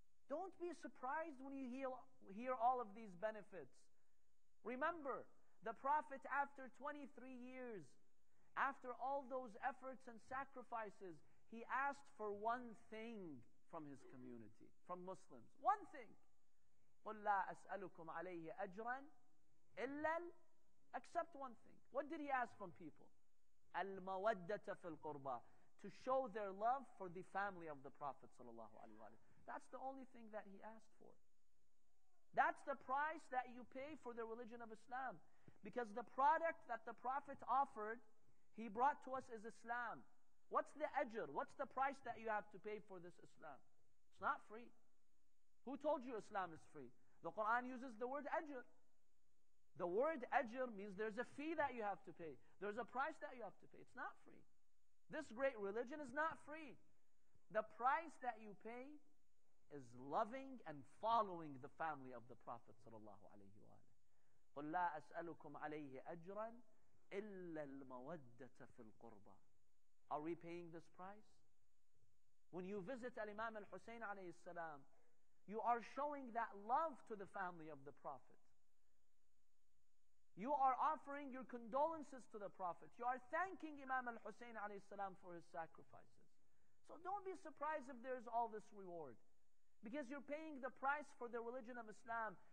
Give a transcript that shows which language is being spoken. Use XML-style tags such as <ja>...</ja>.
<en>Don't be surprised when you hear all of these benefits. Remember, the Prophet after 23 years, after all those efforts and sacrifices, he asked for one thing from his community, from Muslims. One thing.</en> <ar>قُلْ لَا أَسْأَلُكُمْ عَلَيْهِ أَجْرًا إِلَّا</ar> <en>Except one thing. What did he ask from people?</en> <ar>الْمَوَدَّةَ فِي الْقُرْبَى</ar> <en>To show their love for the family of the Prophet ﷺ. That's the only thing that he asked for. That's the price that you pay for the religion of Islam. Because the product that the Prophet offered, he brought to us is Islam. What's the ajr? What's the price that you have to pay for this Islam? It's not free. Who told you Islam is free? The Quran uses the word ajr. The word ajr means there's a fee that you have to pay. There's a price that you have to pay. It's not free. This great religion is not free. The price that you pay is loving and following the family of the Prophet sallallahu alayhi wa alayhi.</en> <ar>قُلْ لَا أَسْأَلُكُمْ عَلَيْهِ أَجْرًا إِلَّا الْمَوَدَّةَ فِي الْقُرْبَى</ar> <en>Are we paying this price? When you visit Al-Imam Al-Hussein alayhi salam, you are showing that love to the family of the Prophet. You are offering your condolences to the Prophet. You are thanking Imam Al-Hussein alayhi salam for his sacrifices. So don't be surprised if there is all this reward. Because you're paying the price for the religion of Islam.</en>